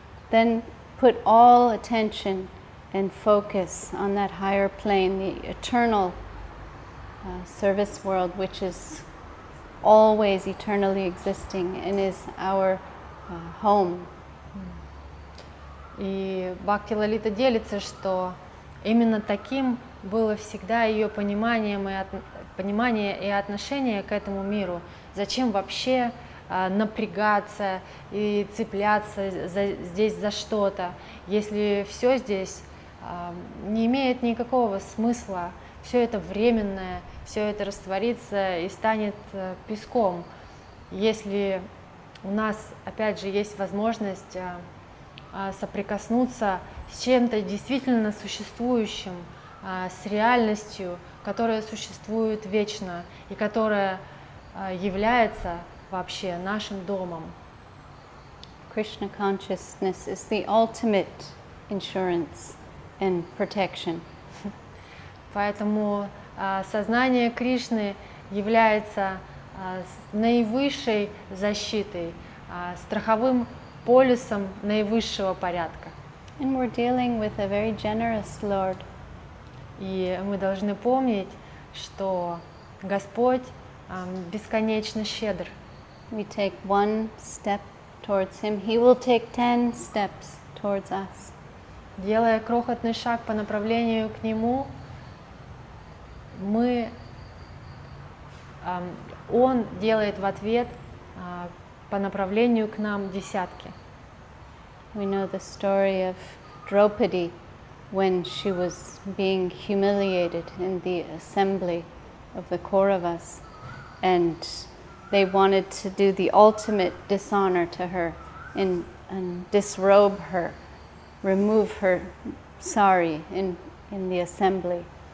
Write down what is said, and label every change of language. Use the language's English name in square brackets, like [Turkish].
[English] Then put all attention and focus on that higher plane, the eternal service world, which is always eternally existing and is our home. [Russian] И Бхакти Лалита делится, что именно таким было всегда ее понимание и отношение к этому миру. Зачем вообще напрягаться и цепляться здесь за что-то, если все здесь не имеет никакого смысла, все это временное, все это растворится и станет песком. Если у нас, опять же, есть возможность соприкоснуться с чем-то действительно существующим, с реальностью, которая существует вечно и которая является вообще нашим домом. [English] Krishna consciousness is the ultimate insurance and protection. [Russian] Поэтому сознание Кришны является наивысшей защитой, страховым полисом наивысшего порядка. [English] And we're dealing with a very generous Lord. [Russian] И мы должны помнить, что Господь бесконечно щедр. [English] We take one step towards Him, He will take 10 steps towards us. [Russian] Делая крохотный шаг по направлению к Нему, мы, Он делает в ответ по направлению к нам десятки. [English] We know the story of Draupadi, when she was being humiliated in the assembly of the Kauravas, and They wanted to do the ultimate dishonor to her and disrobe her, remove her sari in the assembly.